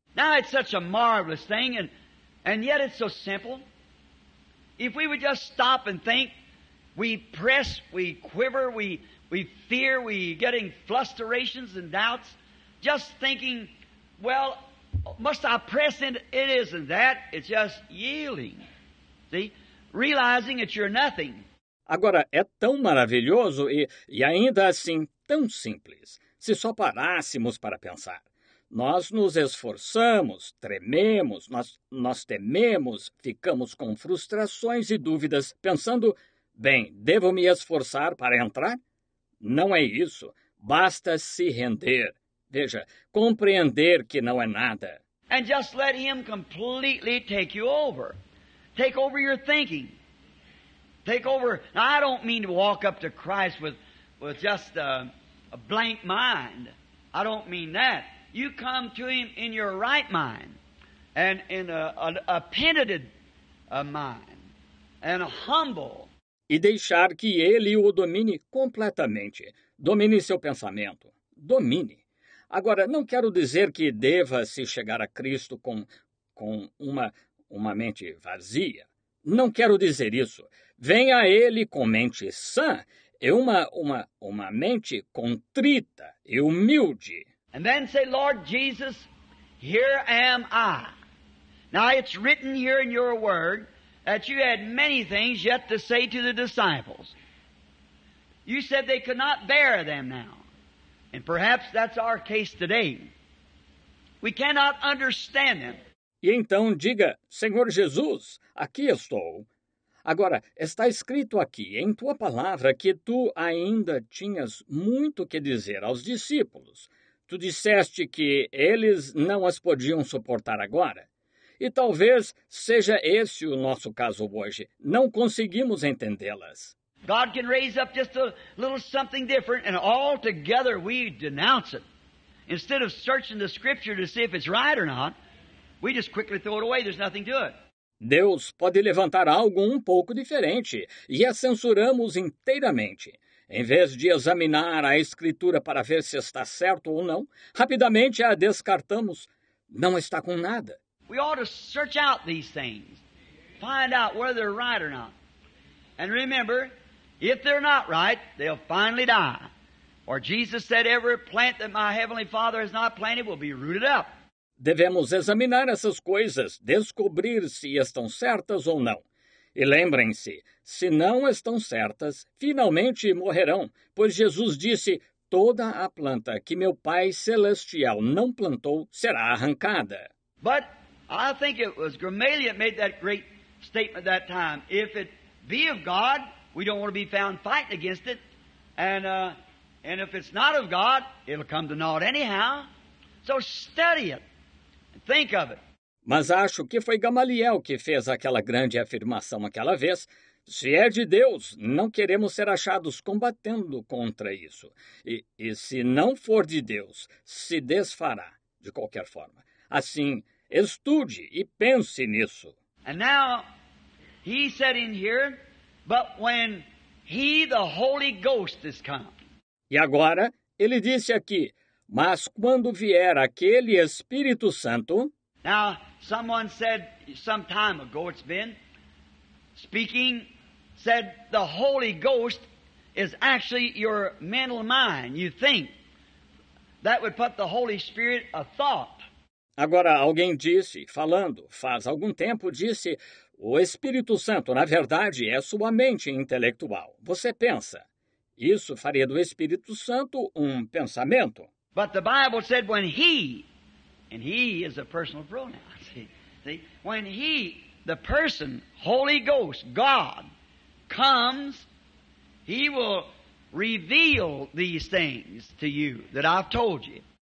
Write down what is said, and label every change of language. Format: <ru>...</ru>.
<en>Now it's such a marvelous thing, and yet it's so simple. If we would just stop and think, we press, we quiver, we fear, we getting flusterations and doubts, just thinking, well, must I press in? It isn't that. It's just yielding. See? Realizing that you're nothing.</en> <pt>Agora, é tão maravilhoso e ainda assim tão simples. Se só parássemos para pensar. Nós nos esforçamos, trememos, nós tememos, ficamos com frustrações e dúvidas, pensando, bem, devo me esforçar para entrar? Não é isso. Basta se render. Veja, compreender que não é nada.</pt> <en>And just let him completely take you over. Take over your thinking. Take over. Now, I don't mean to walk up to Christ with just a blank mind. I don't mean that. You come to him in your right mind and in a penitent mind and a humble.</en> <pt>E deixar que ele o domine completamente. Domine seu pensamento. Domine. Agora, não quero dizer que deva se chegar a Cristo com uma mente vazia. Não quero dizer isso. Venha a ele com mente sã e uma mente contrita e humilde.</pt> <en>And then say, Lord Jesus, here am I. Now it's written here in your word that you had many things yet to say to the disciples. You said they could not bear them now. And perhaps that's our case today. We cannot understand them.</en> <pt>E então diga, Senhor Jesus, aqui estou. Agora, está escrito aqui em tua palavra que tu ainda tinhas muito que dizer aos discípulos. Tu disseste que eles não as podiam suportar agora. E talvez seja esse o nosso caso hoje. Não conseguimos entendê-las.</pt> <en>God can raise up just a little something different, and all together we denounce it. Instead of searching the Scripture to see if it's right or not, we just quickly throw it away. There's nothing to it.</en> <pt>Deus pode levantar algo um pouco diferente, e a censuramos inteiramente. Em vez de examinar a Escritura para ver se está certo ou não, rapidamente a descartamos. Não está com nada.</pt> <en>We ought to search out these things, find out whether they're right or not. And remember, if they're not right, they'll finally die. For Jesus said, every plant that my heavenly Father has not planted will be rooted up.</en> <pt>Devemos examinar essas coisas, descobrir se estão certas ou não. E lembrem-se, se não estão certas, finalmente morrerão, pois Jesus disse, toda a planta que meu Pai Celestial não plantou será arrancada.</pt> <en>But I think it was Gamaliel made that great statement that time. If it be of God, we don't want to be found fighting against it. And if it's not of God, it'll come to naught anyhow. So study it. Think of it.</en> <pt>Mas acho que foi Gamaliel que fez aquela grande afirmação aquela vez. Se é de Deus, não queremos ser achados combatendo contra isso. E se não for de Deus, se desfará, de qualquer forma. Assim, estude e pense nisso.</pt> <en>And now, he said in here, but when he, the Holy Ghost, is come.</en> <pt>E agora, ele disse aqui, mas quando vier aquele Espírito Santo...</pt> <en>Now, someone said, some time ago it's been, speaking, said, the Holy Ghost is actually your mental mind, you think. That would put the Holy Spirit a thought.</en> <pt>Agora, alguém disse, falando, faz algum tempo, disse, o Espírito Santo, na verdade, é sua mente intelectual. Você pensa. Isso faria do Espírito Santo um pensamento.</pt> <en>But the Bible said when he, and he is a personal pronoun, see, when he, the person, Holy Ghost, God, comes, he will reveal these things to you that I've told you.</en>